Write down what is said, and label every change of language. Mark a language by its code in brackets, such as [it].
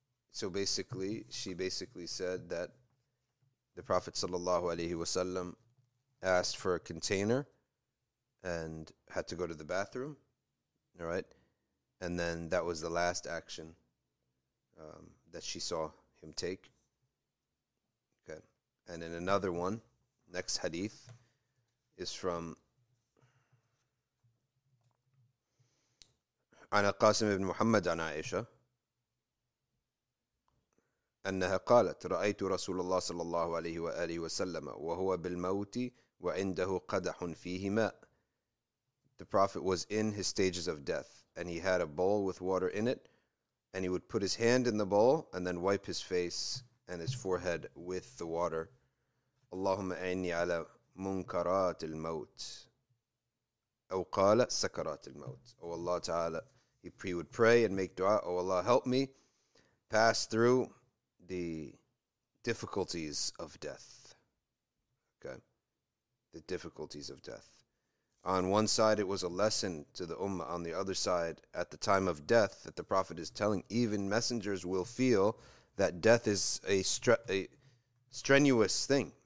[en] So basically, she basically said that the Prophet sallallahu alaihi wasallam asked for a container and had to go to the bathroom, all right? And then that was the last action that she saw him take. Okay. And in another one, next hadith, is from [ar] عن القاسم بن محمد عن عائشة أنها قالت رأيت رسول الله صلى الله عليه وآله وسلم وهو بالموت وعنده قدح فيه ماء. [en] The Prophet was in his stages of death and he had a bowl with water in it and he would put his hand in the bowl and then wipe his face and his forehead with the water. [ar] اللهم أعني على منكرات الموت أو قال سكرات الموت. [en] Oh Allah Ta'ala, he would pray and make dua, oh Allah, help me pass through the difficulties of death. Okay. The difficulties of death. On one side, it was a lesson to the ummah. On the other side, at the time of death, that the Prophet is telling, even messengers will feel that death is a strenuous thing.